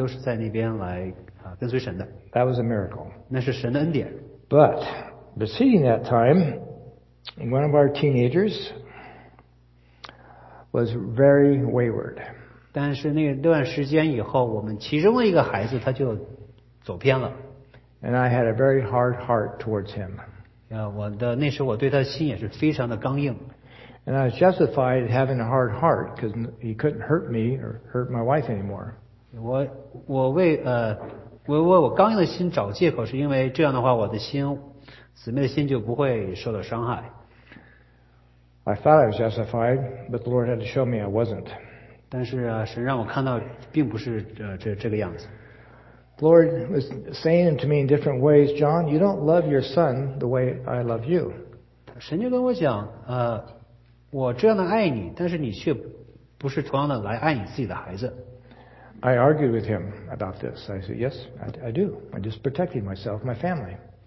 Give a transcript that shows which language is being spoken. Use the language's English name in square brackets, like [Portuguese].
[Chinese] 那个时候在同样的时候，他们都是在那边来跟随神的。 [English] That was a miracle. [Chinese] 那是神的恩典。 [English] But, preceding that time, one of our teenagers was very wayward. [Chinese] 但是那段时间以后，我们其中的一个孩子他就走偏了。 [English] And I had a very hard heart towards him. [Chinese] 那时我对他的心也是非常的刚硬。 [English] And I was justified in having a hard heart because he couldn't hurt me or hurt my wife anymore. [Chinese] 我刚硬的心找借口是因为这样的话我的心姊妹的心就不会受到伤害。 [English] I thought I was justified, but the Lord had to show me I wasn't. [Chinese] 但是神让我看到并不是这个样子。 [English] The Lord was saying to me in different ways, John, you don't love your son the way I love you. [Chinese] 神就跟我讲，我这样的爱你，但是你却不是同样的来爱你自己的孩子。 [English] I argued with him about this. I said, yes, I do. I'm just protecting myself, my family.